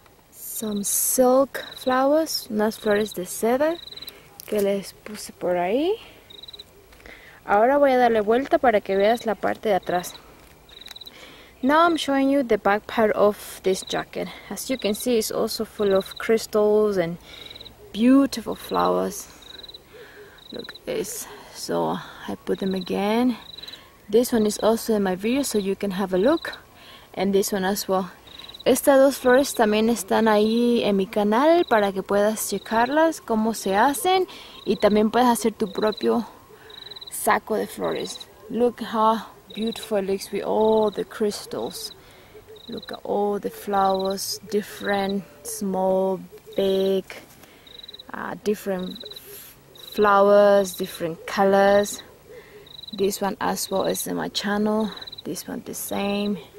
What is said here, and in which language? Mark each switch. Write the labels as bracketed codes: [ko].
[en] Some silk flowers, [es] unas flores de seda que les puse por ahí. Ahora voy a darle vuelta para que veas la parte de atrás. [en] Now I'm showing you the back part of this jacket. As you can see, it's also full of crystals and beautiful flowers. Look at this. So I put them again. This one is also in my video, so you can have a look. And this one as well. [es] Estas dos flores también están ahí en mi canal para que puedas checarlas, cómo se hacen. Y también puedes hacer tu propio saco de flores. [en] Look how beautiful it looks with all the crystals. Look at all the flowers, different, small, big, different flowers, different colors. This one as well is in my channel. This one the same.